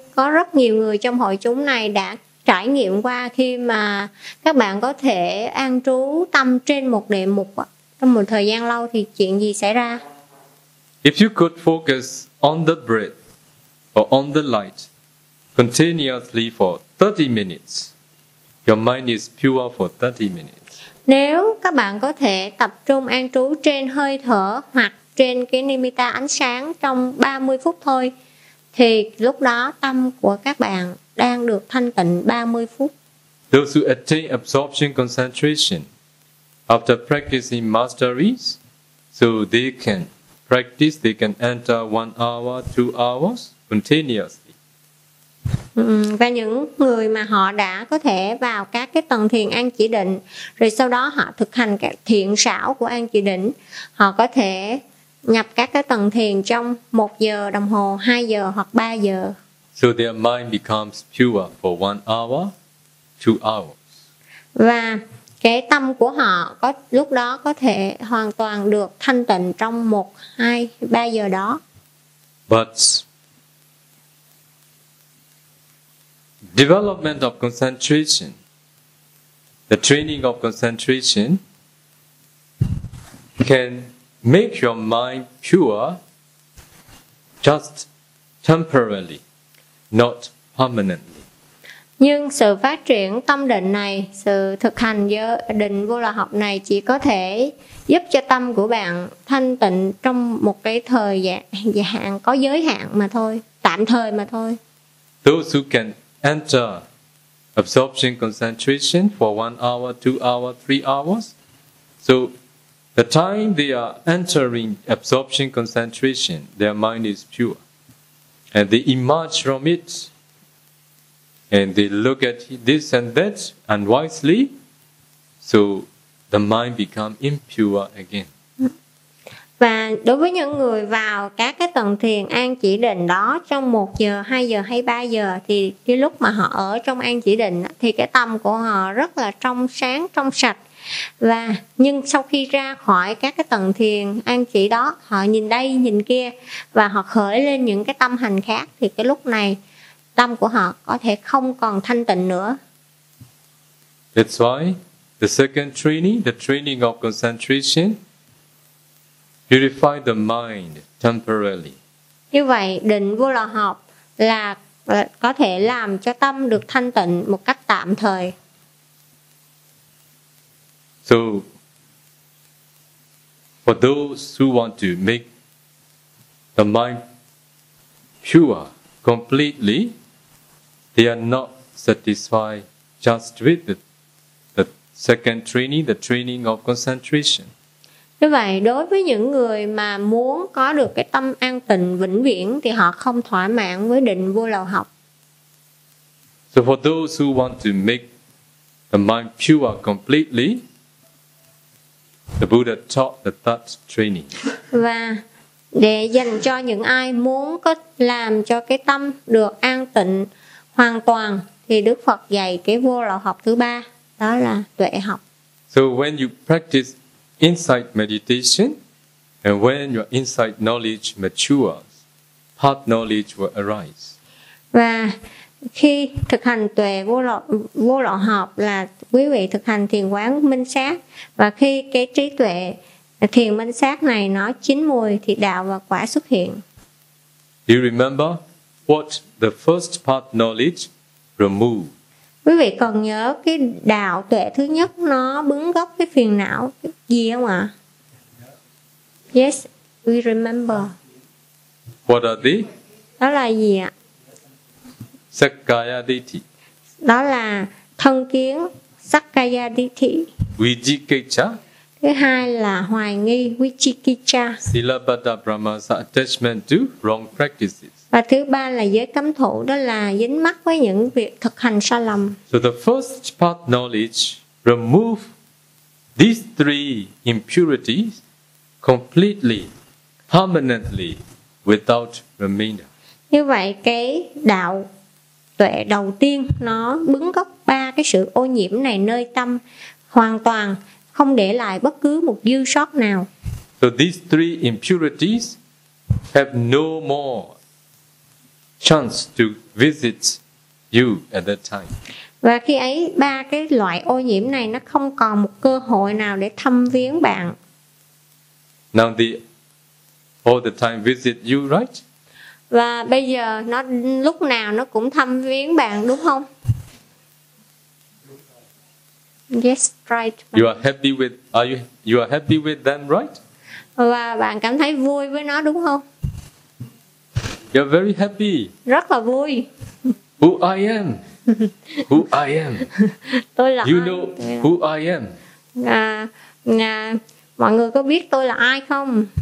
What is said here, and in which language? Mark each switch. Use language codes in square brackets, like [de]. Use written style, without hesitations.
[vi] có rất nhiều người trong hội chúng này đã trải nghiệm qua khi mà các bạn có thể an trú tâm trên một đề mục trong một thời gian lâu thì chuyện gì xảy ra? [en] If you could focus on the breath or on the light continuously for 30 minutes, your mind is pure for 30 minutes. [vi] Nếu các bạn có thể tập trung an trú trên hơi thở hoặc trên cái nimitta ánh sáng trong 30 phút thôi, thì lúc đó tâm của các bạn đang được thanh tịnh 30 phút. [en] Those who attain absorption concentration after practicing masteries, so they can practice, they can enter 1 hour, 2 hours continuously. [vi] Và những người mà họ đã có thể vào các cái tầng thiền an chỉ định, rồi sau đó họ thực hành các thiện xảo của an chỉ định, họ có thể nhập các cái tầng thiền trong 1 giờ đồng hồ, 2 giờ hoặc 3 giờ. [en] So their mind becomes pure for 1 hour, 2 hours. [vi] Và cái tâm của họ có lúc đó có thể hoàn toàn được thanh tịnh trong 1, 2, 3 giờ đó. [en] But development of concentration, the training of concentration can make your mind pure just temporarily, not permanently. [vi] Nhưng sự phát triển tâm định này, sự thực hành giới định vô lậu học này chỉ có thể giúp cho tâm của bạn thanh tịnh trong một cái thời hạn có giới hạn mà thôi, tạm thời mà thôi. [en] Those who can enter absorption concentration for 1 hour, 2 hours, 3 hours. So the time they are entering absorption concentration, their mind is pure. And they emerge from it, and they look at this and that unwisely, so the mind become impure again. [vi] Và đối với những người vào các cái tầng thiền an chỉ định đó trong 1 giờ, 2 giờ hay 3 giờ thì cái lúc mà họ ở trong an chỉ định thì cái tâm của họ rất là trong sáng, trong sạch. Và nhưng sau khi ra khỏi các cái tầng thiền an chỉ đó, họ nhìn đây, nhìn kia và họ khởi lên những cái tâm hành khác thì cái lúc này tâm của họ có thể không còn thanh tịnh nữa. [en] That's why the second training, the training of concentration, purify the mind temporarily. [vi] Như vậy, định vô lậu học là có thể làm cho tâm được thanh tịnh một cách tạm thời. [en] So, for those who want to make the mind pure completely, they are not satisfied just with the second training, the training of concentration. [vi] Như vậy, đối với những người mà muốn có được cái tâm an tịnh vĩnh viễn thì họ không thỏa mãn với định vô lậu học. [en] So for those who want to make the mind pure completely, the Buddha taught the third training. [vi] Và để dành cho những ai muốn có làm cho cái tâm được an tịnh hoàn toàn thì Đức Phật dạy cái vô lậu học thứ ba, đó là tuệ học. [en] So when you practice insight meditation, and when your insight knowledge matures, path knowledge will arise. [vi] Và khi thực hành tuệ vô lậu học là quý vị thực hành thiền quán minh sát, và khi cái trí tuệ thiền minh sát này nó chín mùi thì đạo và quả xuất hiện. [en] Do you remember what the first path knowledge removed? [vi] Quý vị còn nhớ cái đạo tuệ thứ nhất nó bứng gốc cái phiền não gì không ạ? [en] Yes, we remember. What are they? [vi] Đó là gì ạ? [pi] Sakkaya ditthi. [vi] Đó là thân kiến, sakkaya ditthi. [pi] Vijikicca. [vi] Thứ hai là hoài nghi, vijikicca. [en] Silabbata brahmasa, attachment to wrong practices. [vi] Và thứ ba là giới cấm thủ, đó là dính mắc với những việc thực hành sai lầm. [en] So the first path knowledge remove these three impurities completely, permanently, without remainder. Như vậy cái đạo tuệ đầu tiên nó bứng gốc ba cái sự ô nhiễm này nơi tâm hoàn toàn, không để lại bất cứ một dư sót nào. So these three impurities have no more chance to visit you at that time. [vi] Và khi ấy ba cái loại ô nhiễm này nó không còn một cơ hội nào để thăm viếng bạn. [en] Now the all the time visit you, right? [vi] Và bây giờ nó lúc nào nó cũng thăm viếng bạn đúng không? [en] Yes, right. You are happy with are you happy with them, right? [vi] Và bạn cảm thấy vui với nó đúng không? [en] You're very happy. [vi] Rất là vui. [en] Who I am? Who I am? [vi] Tôi là [en] you [vi] ai? [en] Know who I am? [vi] Mọi người có biết tôi là ai không?